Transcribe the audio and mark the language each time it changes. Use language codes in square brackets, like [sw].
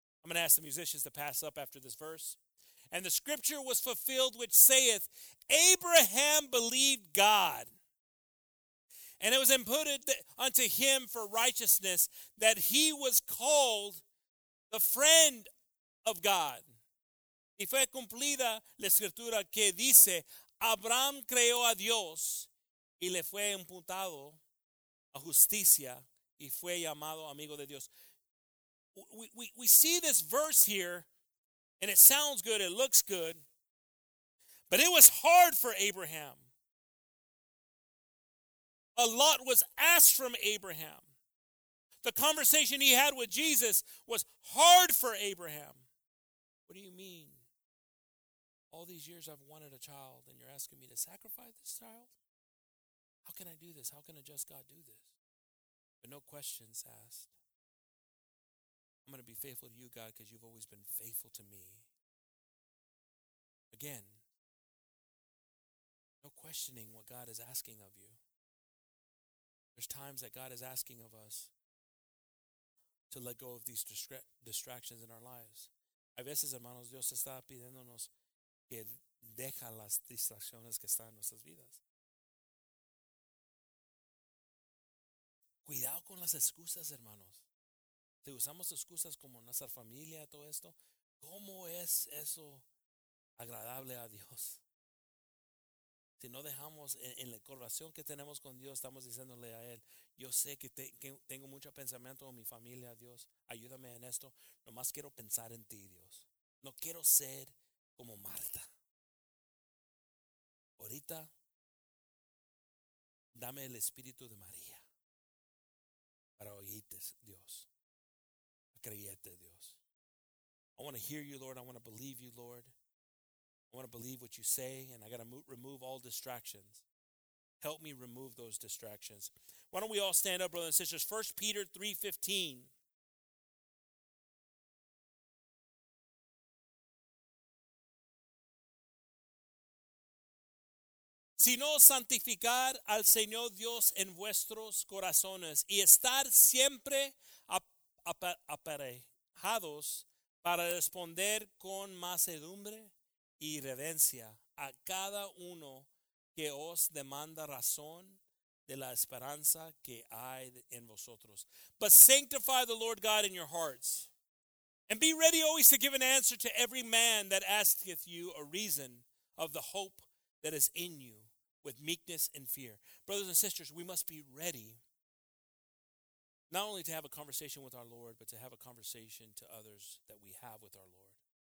[en] I'm going to ask the musicians to pass up after this verse. And the scripture was fulfilled, which saith, Abraham believed God, and it was imputed unto him for righteousness, that he was called the friend of God. [es] Y fue cumplida la escritura que dice, Abraham creyó a Dios, y le fue imputado a justicia, y fue llamado amigo de Dios. [en] We see this verse here, and it sounds good, it looks good, but it was hard for Abraham. A lot was asked from Abraham. The conversation he had with Jesus was hard for Abraham. What do you mean? All these years I've wanted a child, and you're asking me to sacrifice this child? How can I do this? How can a just God do this? But no questions asked. I'm going to be faithful to you, God, because you've always been faithful to me. Again, no questioning what God is asking of you. There's times that God is asking of us to let go of these distractions in our lives. [es] A veces, hermanos, Dios está pidiéndonos que deja las distracciones que están en nuestras vidas. Cuidado con las excusas, hermanos. Si usamos excusas como nuestra familia, todo esto, ¿cómo es eso agradable a Dios? Si no dejamos en la corrupción que tenemos con Dios, estamos diciéndole a Él, yo sé que tengo mucho pensamiento en mi familia, Dios, ayúdame en esto. Nomás quiero pensar en ti, Dios. No quiero ser como Marta. Ahorita, dame el espíritu de María para oírte, Dios. Creyete, Dios. [en] I want to hear you, Lord. I want to believe you, Lord. I want to believe what you say, and I got to remove all distractions. Help me remove those distractions. Why don't we all stand up, brothers and sisters? 1 Peter 3:15. [es] Si no santificar al Señor Dios en vuestros corazones y estar siempre aparejados para responder con mansedumbre y reverencia a cada uno que os demanda razón de la esperanza que hay en vosotros. [en] But sanctify the Lord God in your hearts, and be ready always to give an answer to every man that asketh you a reason of the hope that is in you with meekness and fear. Brothers and sisters, we must be ready not only to have a conversation with our Lord, but to have a conversation to others that we have with our Lord.